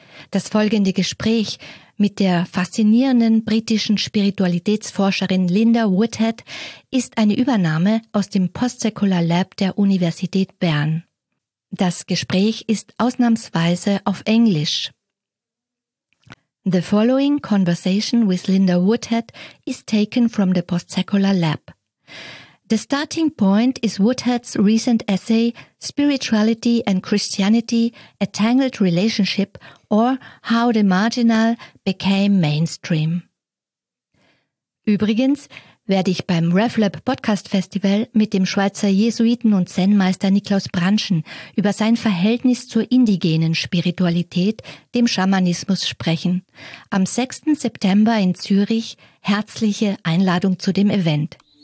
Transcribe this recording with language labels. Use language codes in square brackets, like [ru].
[de] Das folgende Gespräch mit der faszinierenden britischen Spiritualitätsforscherin Linda Woodhead ist eine Übernahme aus dem Postsecular Lab der Universität Bern. Das Gespräch ist ausnahmsweise auf Englisch. [en] The following conversation with Linda Woodhead is taken from the Postsecular Lab. The starting point is Woodhead's recent essay, Spirituality and Christianity, A Tangled Relationship, or How the Marginal Became Mainstream. [de] Übrigens werde ich beim RevLab Podcast Festival mit dem Schweizer Jesuiten und Zen-Meister Niklaus Branschen über sein Verhältnis zur indigenen Spiritualität, dem Schamanismus, sprechen. Am 6. September in Zürich, herzliche Einladung zu dem Event.